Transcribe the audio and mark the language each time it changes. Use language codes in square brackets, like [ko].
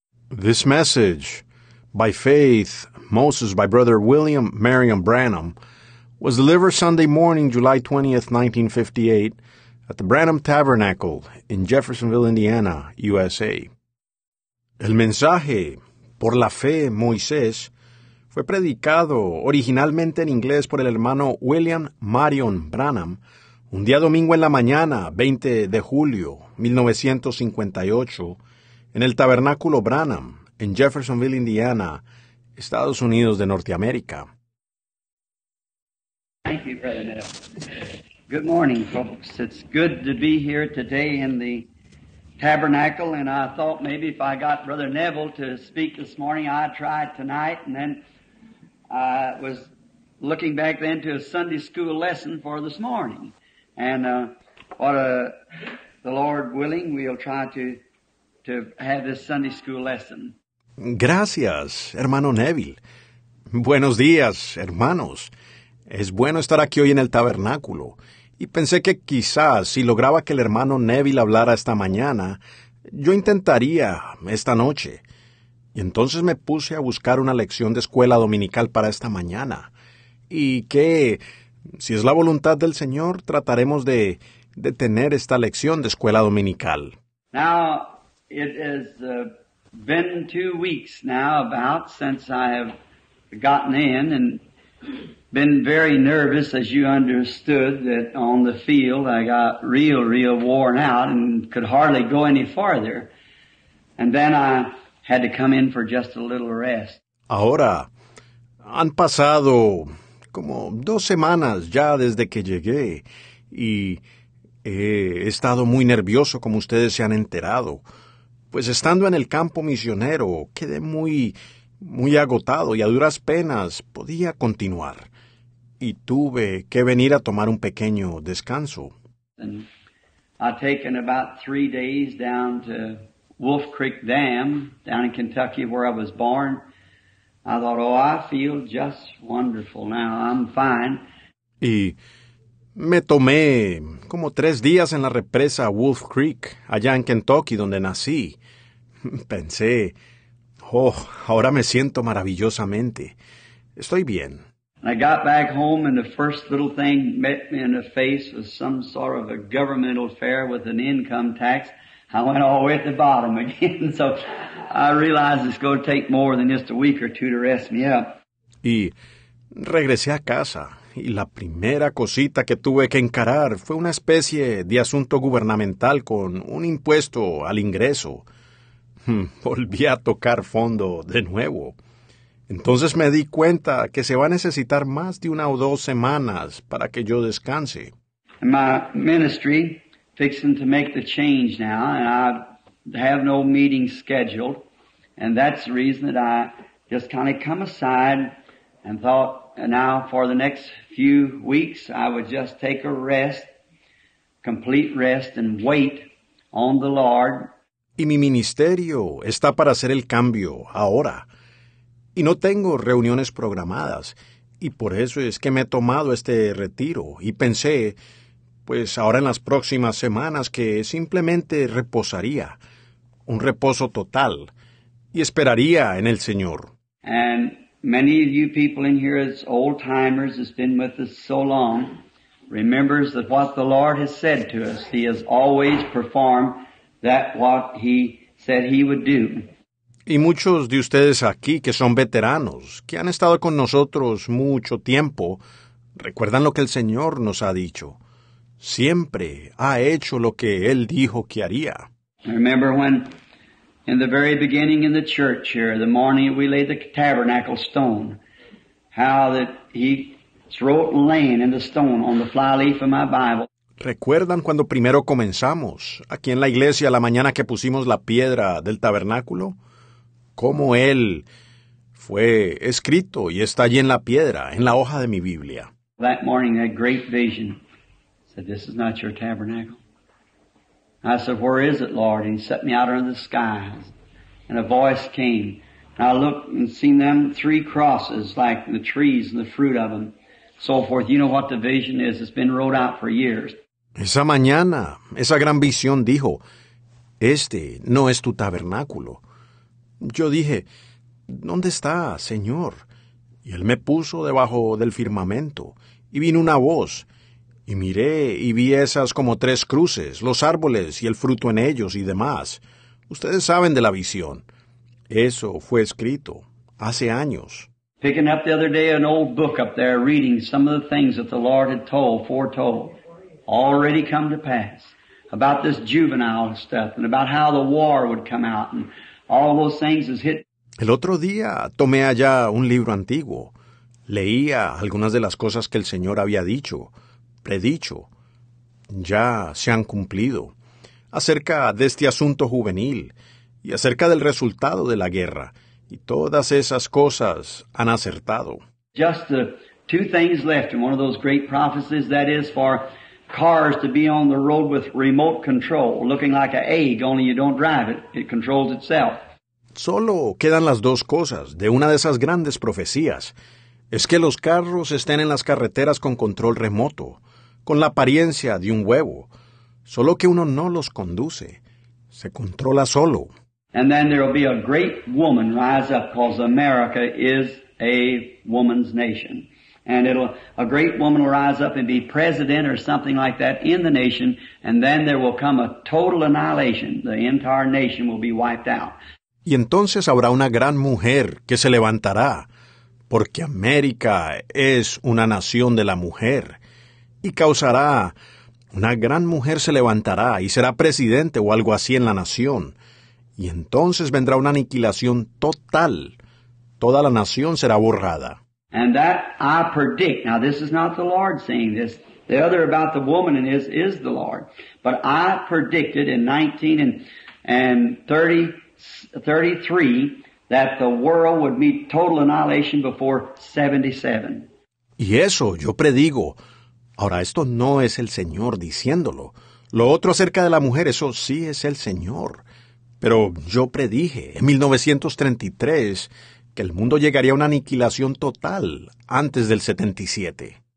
[en] This message by Faith Moses by Brother William Marion Branham was delivered Sunday morning, July 20th, 1958, at the Branham Tabernacle in Jeffersonville, Indiana, USA. [es] El mensaje por la fe Moisés fue predicado originalmente en inglés por el hermano William Marion Branham un día domingo en la mañana, 20 de julio, 1958, en el Tabernáculo Branham, en Jeffersonville, Indiana, Estados Unidos de Norteamérica. [en] Thank you, Brother Neil. Good morning, folks. It's good to be here today in the Tabernacle, and I thought maybe if I got Brother Neville to speak this morning, I'd try it tonight, and then I was looking back then to a Sunday school lesson for this morning, and the Lord willing, we'll try to have this Sunday school lesson. [es] Gracias, hermano Neville. Buenos días, hermanos. Es bueno estar aquí hoy en el tabernáculo. Y pensé que quizás si lograba que el hermano Neville hablara esta mañana, yo intentaría esta noche. Y entonces me puse a buscar una lección de escuela dominical para esta mañana. Y que, si es la voluntad del Señor, trataremos de tener esta lección de escuela dominical. [en] Now, it has been 2 weeks now about since I have gotten in and been very nervous, as you understood, that on the field I got real, real worn out and could hardly go any farther. And then I had to come in for just a little rest. [es] Ahora, han pasado como 2 semanas ya desde que llegué y he estado muy nervioso, como ustedes se han enterado. Pues estando en el campo misionero, quedé muy, muy agotado y a duras penas podía continuar. Y tuve que venir a tomar un pequeño descanso. [en] I've taken about 3 days down to Wolf Creek Dam, down in Kentucky where I was born. I thought, oh, I feel just wonderful now, I'm fine. [es] Y me tomé como 3 días en la represa Wolf Creek, allá en Kentucky, donde nací. Pensé, oh, ahora me siento maravillosamente. Estoy bien. [en] I got back home and the first little thing met me in the face was some sort of a governmental affair with an income tax. I went all the way at the bottom again. So I realized it's going to take more than just a week or two to rest me up. [es] Y regresé a casa. Y la primera cosita que tuve que encarar fue una especie de asunto gubernamental con un impuesto al ingreso. Volví a tocar fondo de nuevo. Entonces me di cuenta que se va a necesitar más de 1 o 2 semanas para que yo descanse. [en] My ministry fixing to make the change now, and I have no meeting scheduled, and that's the reason that I just kind of come aside and thought, now for the next few weeks I would just take a rest, complete rest, and wait on the Lord. [es] Y mi ministerio está para hacer el cambio ahora. Y no tengo reuniones programadas. Y por eso es que me he tomado este retiro. Y pensé, pues ahora en las próximas semanas, que simplemente reposaría. Un reposo total. Y esperaría en el Señor. [en] And many of you people in here as old timers has been with us so long, remembers that what the Lord has said to us, He has always performed that what He said He would do. [es] Y muchos de ustedes aquí que son veteranos, que han estado con nosotros mucho tiempo, recuerdan lo que el Señor nos ha dicho. Siempre ha hecho lo que Él dijo que haría. [en] I remember when in the very beginning in the church here, the morning we laid the tabernacle stone, how that He wrote laying in the stone on the flyleaf of my Bible. [es] ¿Recuerdan cuando primero comenzamos aquí en la iglesia la mañana que pusimos la piedra del tabernáculo? ¿Cómo Él fue escrito y está allí en la piedra, en la hoja de mi Biblia? [en] That morning, that great vision said, this is not your tabernacle. I said, where is it, Lord? And He set me out under the skies. And a voice came. And I looked and seen them 3 crosses, like the trees and the fruit of them, so forth. You know what the vision is. It's been wrote out for years. [es] Esa mañana, esa gran visión dijo, este no es tu tabernáculo. Yo dije, ¿dónde está, Señor? Y él me puso debajo del firmamento, y vino una voz, y miré, y vi esas como tres cruces, los árboles y el fruto en ellos y demás. Ustedes saben de la visión. Eso fue escrito hace años. [en] Picking up the other day an old book up there, reading some of the things that the Lord had told, foretold, already come to pass, about this juvenile stuff, and about how the war would come out, and all those things has hit. [es] El otro día tomé allá un libro antiguo. Leía algunas de las cosas que el Señor había dicho, predicho. Ya se han cumplido. Acerca de este asunto juvenil y acerca del resultado de la guerra. Y todas esas cosas han acertado. [en] Just the two things left in one of those great prophecies, that is for cars to be on the road with remote control, looking like an egg, only you don't drive it, it controls itself. [es] Solo quedan las dos cosas de una de esas grandes profecías. Es que los carros estén en las carreteras con control remoto, con la apariencia de un huevo. Solo que uno no los conduce. Se controla solo. [en] And then there will be a great woman rise up, because America is a woman's nation. And a great woman will rise up and be president or something like that in the nation, and then there will come a total annihilation. The entire nation will be wiped out. [es] Y entonces habrá una gran mujer que se levantará, porque América es una nación de la mujer, y causará, una gran mujer se levantará y será presidente o algo así en la nación, y entonces vendrá una aniquilación total, toda la nación será borrada. [en] And that I predict, now this is not the Lord saying this, the other about the woman in this is the Lord, but I predicted in 1933 that the world would meet total annihilation before 77. [es] Y eso yo predigo. Ahora, esto no es el Señor diciéndolo. Lo otro acerca de la mujer, eso sí es el Señor. Pero yo predije en 1933 que el mundo llegaría a una aniquilación total antes del 77.